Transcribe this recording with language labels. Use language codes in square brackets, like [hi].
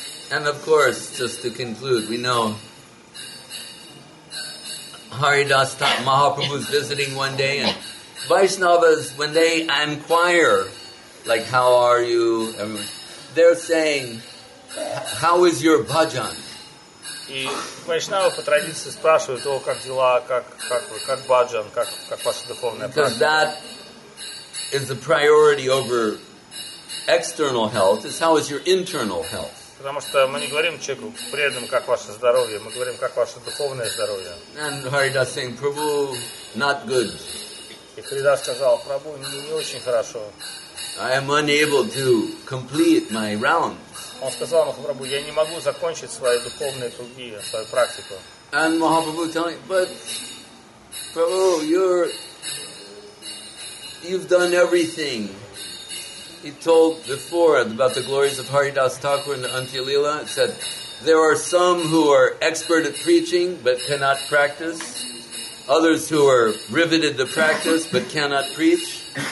[en] And of course, just to conclude, we know Haridas Thakur, Mahaprabhu's visiting one day, and Vaishnavas, when they inquire, like, how are you, they're saying, how is your bhajan? [ru] И Вайшнавы по традиции спрашивают, о, как дела, как баджан, как ваша духовная практика. [en] Because that is a priority over external health. It's how is your internal health. [ru] Потому что мы не говорим человеку преданным, как ваше здоровье, мы говорим, как ваше духовное здоровье. [en] And Haridas saying, Prabhu, not good. [ru] И Харидас сказал, Прабу, не очень хорошо. [en] I am unable to complete my round. [ru] Он сказал Махапрабху, я не могу закончить свои духовные круги, свою практику. [en] And Mahaprabhu telling, but Prabhu, you've done everything. he told before about the glories of Haridas Thakur and the Antilila. It said, there are some who are expert at preaching but cannot practice, others who are riveted to practice but cannot preach.